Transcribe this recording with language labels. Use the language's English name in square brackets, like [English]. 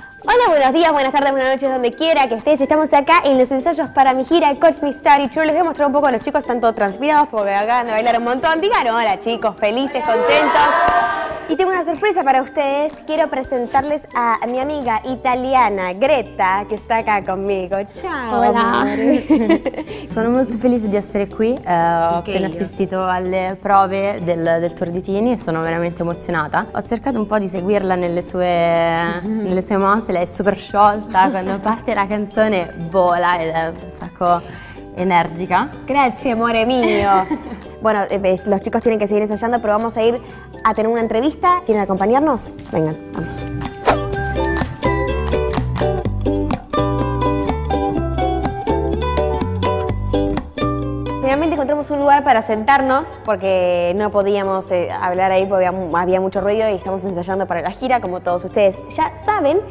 [Spanish] Hola, buenos días, buenas tardes, buenas noches, donde quiera que estés. Estamos acá en los ensayos para mi gira Coach Me Study Tour. Les voy a mostrar un poco a los chicos, están todos transpirados porque acaban de bailar un montón. Digan hola, chicos, felices, contentos. Y tengo una sorpresa para ustedes. Quiero presentarles a mi amiga italiana, Greta, que está acá conmigo. [Italian] Chao. Hola. Sono molto felice di essere qui. Ho appena assistito alle prove del tour di Tini e sono veramente emozionata. Ho cercato un po' di seguirla nelle sue mosse. Lei è super sciolta. Quando parte la canzone vola ed è un sacco energica. Grazie, amore mio. [Spanish] Bueno, los chicos tienen que seguir ensayando, pero vamos a ir a tener una entrevista. ¿Quieren acompañarnos? Vengan, vamos. Finalmente encontramos un lugar para sentarnos porque no podíamos hablar ahí porque había mucho ruido y estamos ensayando para la gira, como todos ustedes ya saben.